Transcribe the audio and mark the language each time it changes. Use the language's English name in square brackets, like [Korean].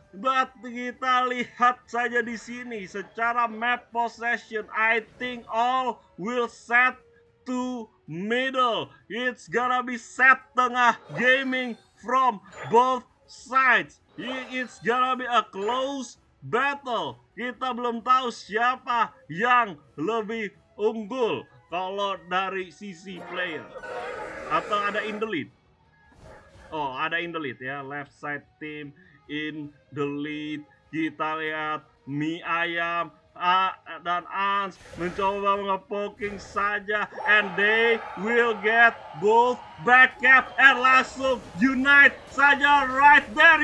[Indonesian] But kita lihat saja di sini. [English] Secara map possession, I think all will set to middle. It's gonna be set tengah gaming from both sides. It's gonna be a close battle. [Indonesian] Kita belum tahu siapa yang lebih unggul kalau dari sisi player atau ada [English] in the lead. Oh, ada in the lead ya, left side team in the lead. [Indonesian] Kita lihat Mi Ayam dan Ans mencoba nge-poking saja [English] and they will get both back cap [Indonesian] and langsung Unite saja [English] right there.